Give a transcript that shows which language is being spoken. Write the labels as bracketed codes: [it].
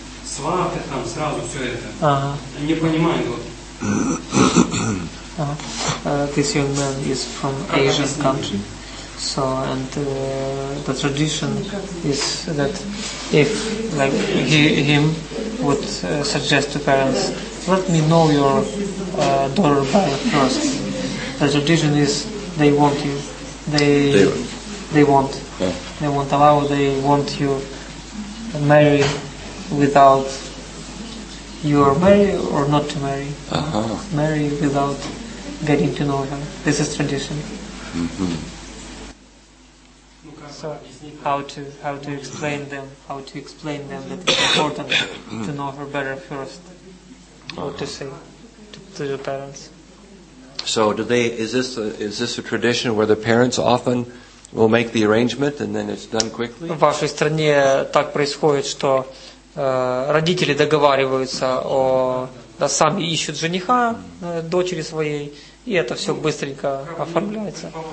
[ru] Сваты там сразу все это. Не понимают вот. [en] This young man is from Asian country. So, and the tradition is that if, like, him would suggest to parents, let me know your daughter by first. The tradition is they want you. They want. Yeah. They won't allow, they want you marry without your marry or not to marry. Uh-huh. Marry without getting to know her. This is tradition. Mm-hmm. So how to explain them, how to explain them that it's important to know her better first. Uh-huh. What to say to the parents. So is this a tradition where the parents often will make the arrangement and then it's done quickly? [ru] В вашей стране так происходит, что родители договариваются о сами ищут жениха дочери своей, и это все быстренько оформляется.